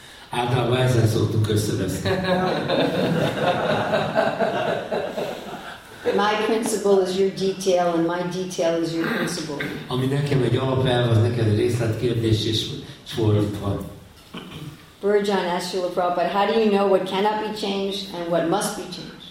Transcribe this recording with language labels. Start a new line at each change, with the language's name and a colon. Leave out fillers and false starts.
Hungarian: Általában ezen szoktunk összeveszni.
English: My principle is your detail, and my detail is your principle.
Hungarian: Ami nekem egy alapelv, az neked egy részletkérdés, és fordítva.
English: Burjan asked Srila Prabhupada, how do you know what cannot be changed and what must be changed?